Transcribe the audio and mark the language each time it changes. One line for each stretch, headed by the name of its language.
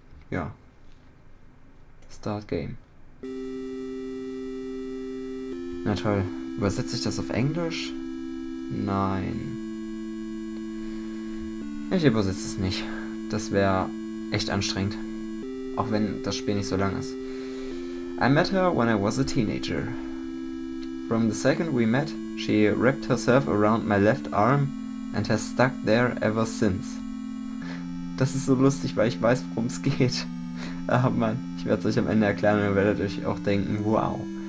German: Ja. Start Game. Na toll. Übersetze ich das auf Englisch? Nein. Ich übersetze es nicht. Das wäre echt anstrengend, auch wenn das Spiel nicht so lang ist.
English: I met her when I was a teenager. From the second we met, she wrapped herself around my left arm and has stuck there ever since.
German: Das ist so lustig, weil ich weiß, worum es geht. Ah, Mann, ich werde es euch am Ende erklären und ihr werdet euch auch denken, wow.